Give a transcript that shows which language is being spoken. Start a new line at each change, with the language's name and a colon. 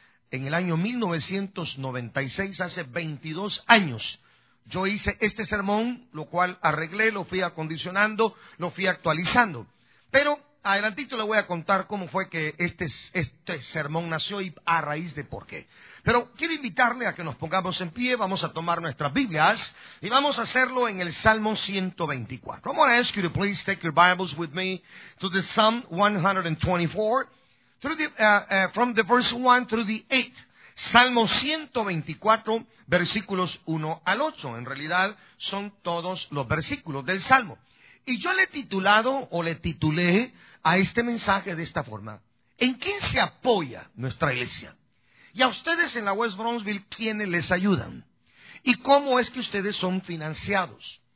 Spanish: En el año 1996, hace 22 años, yo hice este sermón, lo cual arreglé, lo fui acondicionando, lo fui actualizando. Pero adelantito le voy a contar cómo fue que este sermón nació y a raíz de por qué. Pero quiero invitarle a que nos pongamos en pie, vamos a tomar nuestras Biblias y vamos a hacerlo en el Salmo 124.
English: I'm going to ask you to please take your Bibles with me to the Psalm 124, from the verse 1 through the 8.
Spanish: Salmo 124, versículos 1 al 8. En realidad, son todos los versículos del Salmo. Y yo le he titulado, o le titulé a este mensaje de esta forma: ¿en quién se apoya nuestra iglesia? Y a ustedes en la West Brownsville, ¿quiénes les ayudan? ¿Y cómo es que ustedes son financiados?